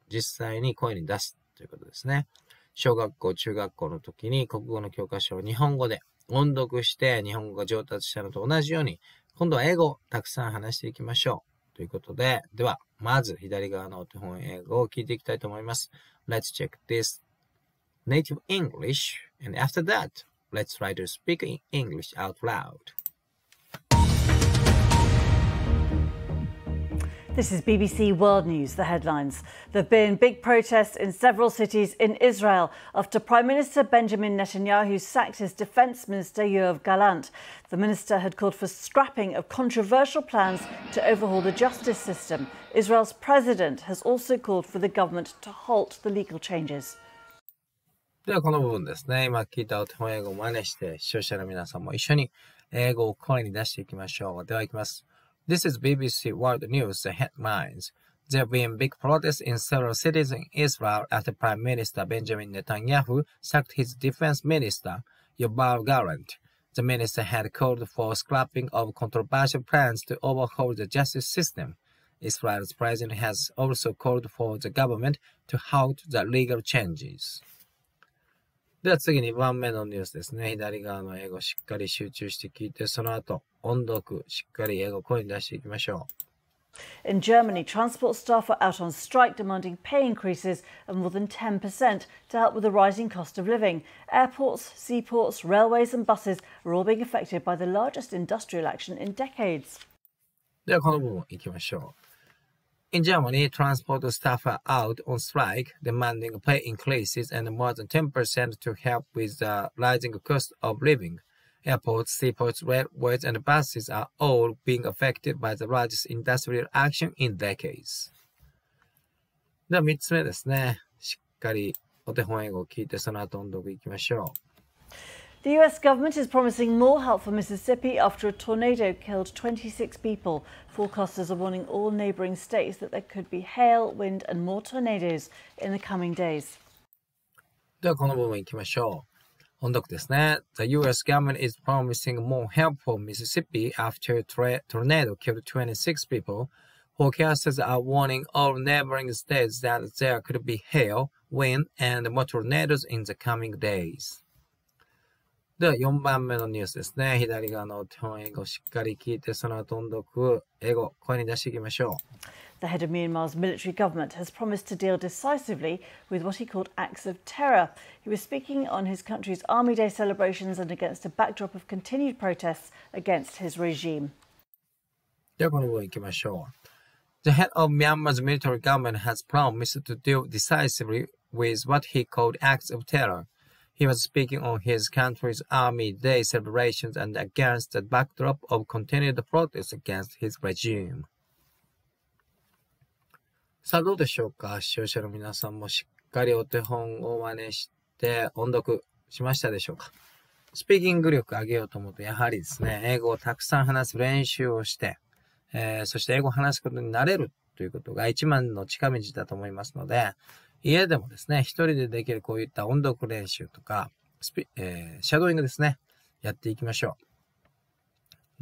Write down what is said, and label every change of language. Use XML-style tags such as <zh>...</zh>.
<ja>実際に声に出すということですね。小学校、中学校の時に国語の教科書を日本語で音読して、日本語が上達したのと同じように、今度は英語をたくさん話していきましょう。ということで、では、まず左側のお手本英語を聞いていきたいと思います。</ja> <en>Let's check this native English. And after that, let's try to speak in English out loud. This is BBC World News, the headlines. There have been big protests in several cities in Israel after Prime Minister Benjamin Netanyahu sacked his defense minister, Yoav Gallant. The minister had called for scrapping of controversial plans to overhaul the justice system. Israel's president has also called for the government to halt the legal changes.</en> <ja>ではこの部分ですね。今聞いたお手本英語を真似して、視聴者の皆さんも一緒に英語を声に出していきましょう。では行きます。</ja> <en>This is BBC World News, the headlines. There have been big protests in several cities in Israel after Prime Minister Benjamin Netanyahu sacked his defense minister, Yoav Gallant. The minister had called for scrapping of controversial plans to overhaul the justice system. Israel's president has also called for the government to halt the legal changes.</en> <ja>では次2番目のニュースですね。左側の英語しっかり集中して聞いて、その後音読しっかり英語声に出していきましょう。</ja> <en>In Germany, transport staff are out on strike demanding pay increases of more than 10% to help with the rising cost of living. Airports, seaports, railways and buses are all being affected by the largest industrial action in decades.</en> <ja>ではこの部分いきましょう。</ja> <en>In Germany, transport staff are out on strike, demanding pay increases and more than 10% to help with the rising cost of living. Airports, seaports, railways, and buses are all being affected by the largest industrial action in decades.</en> <ja>では3つ目ですね。しっかりお手本英語を聞いて、その後音読いきましょう。</ja> <en>The U.S. government is promising more help for Mississippi after a tornado killed 26 people. Forecasters are warning all neighboring states that there could be hail, wind, and more tornadoes in the coming days.</en> <ja>ではこの部分行きましょう。音読ですね。</ja> <en>The U.S. government is promising more help for Mississippi after a tornado killed 26 people. Forecasters are warning all neighboring states that there could be hail, wind, and more tornadoes in the coming days.</en> <ja>では4番目のニュースですね。左側の手本英語をしっかり聞いて、その後音読英語声に出していきましょう。</ja> <en>The head of Myanmar's military government has promised to deal decisively with what he called acts of terror. He was speaking on his country's Army Day celebrations and against a backdrop of continued protests against his regime.</en> <ja>ではこの部分いきましょう。</ja> <en>The head of Myanmar's military government has promised to deal decisively with what he called acts of terror. He was speaking on his country's Army Day celebrations and against the backdrop of continued protests against his regime.</en> <ja>さあどうでしょうか。視聴者の皆さんもしっかりお手本を真似して音読しましたでしょうか。スピーキング力上げようと思うと、やはりですね、英語をたくさん話す練習をして、そして英語を話すことになれるということが一番の近道だと思いますので、家でもですね、一人でできるこういった音読練習とか、シャドーイングですね、やっていきましょう。</ja>